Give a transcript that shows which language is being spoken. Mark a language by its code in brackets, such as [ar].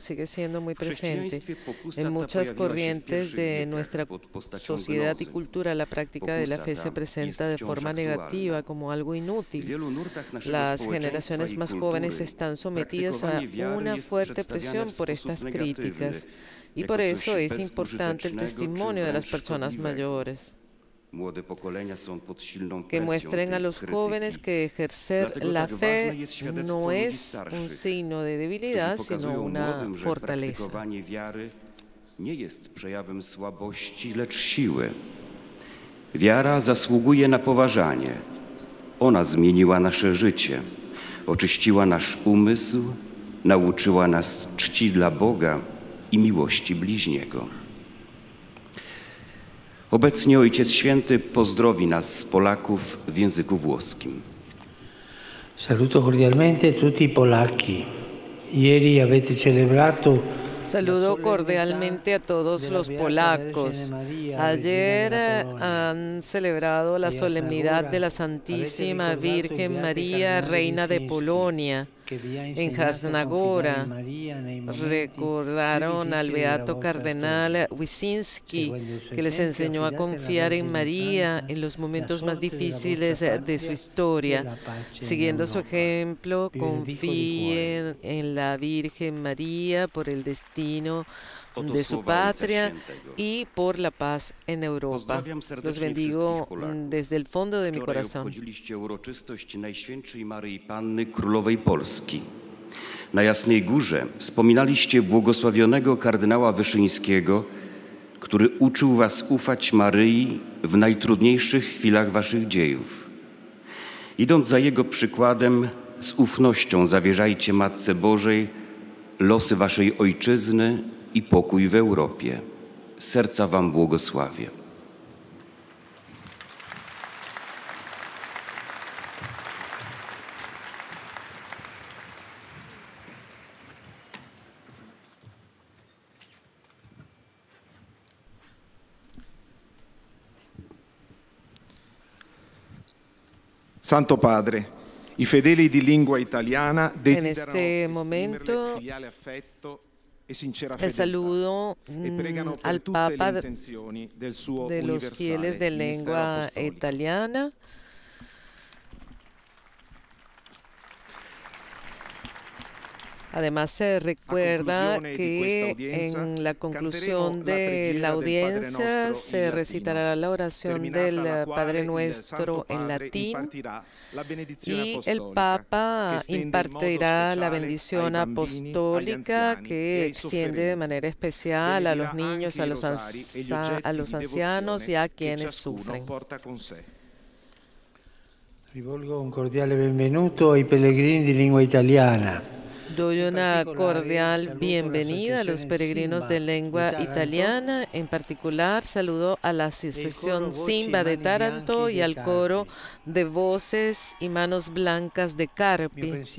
[es] Sigue siendo muy presente. En muchas corrientes de nuestra sociedad y cultura, la práctica de la fe se presenta de forma negativa, como algo inútil. Las generaciones más jóvenes están sometidas a una fuerte presión por estas críticas, y por eso es importante el testimonio de las personas mayores. [pl] Młode pokolenia są pod silną presją [es] que muestren a los jóvenes que ejercer la fe no es un signo de debilidad, sino una fortaleza. [pl] Praktykowanie wiary nie jest przejawem słabości, lecz siły. Wiara zasługuje na poważanie. Ona zmieniła nasze życie, oczyściła nasz umysł, nauczyła nas czci dla Boga i miłości bliźniego. Obecnie Ojciec Święty pozdrowi nas, Polaków, w języku włoskim. [it] Saluto cordialmente tutti i Polacchi. Ieri avete celebrato. [es] Saludo cordialmente a todos los polacos. Ayer han celebrado la solemnidad de la Santísima Virgen María, Reina de Polonia, en Jasnagora. Recordaron al Beato Cardenal Wyszyński, que les enseñó a confiar en María en los momentos más difíciles de su historia. Siguiendo su ejemplo, confíen en la Virgen María por el destino de su patria y por la paz en Europa. Los bendigo desde el fondo de mi corazón. [pl] Obchodziliście uroczystość Najświętszej Maryi Panny Królowej Polski. Na Jasnej Górze wspominaliście błogosławionego kardynała Wyszyńskiego, który uczył was ufać Maryi w najtrudniejszych chwilach waszych dziejów. Idąc za jego przykładem, z ufnością zawierzajcie Matce Bożej losy waszej ojczyzny i pokój w Europie. Serca wam błogosławię. [it] Santo Padre, i fedeli di lingua italiana desiderano esprimere filiale affetto. [es] El saludo al Papa de los fieles de lengua italiana. Además, se recuerda que en la conclusión de la audiencia se recitará la oración del Padre Nuestro en latín y el Papa impartirá la bendición apostólica que extiende de manera especial a los niños, a los ancianos y a quienes sufren. [it] Rivolgo un cordiale benvenuto ai pellegrini di lingua italiana. [es] Doy una cordial bienvenida a los peregrinos de lengua italiana. En particular, saludo a la asociación Simba de Taranto y al coro de voces y manos blancas de Carpi.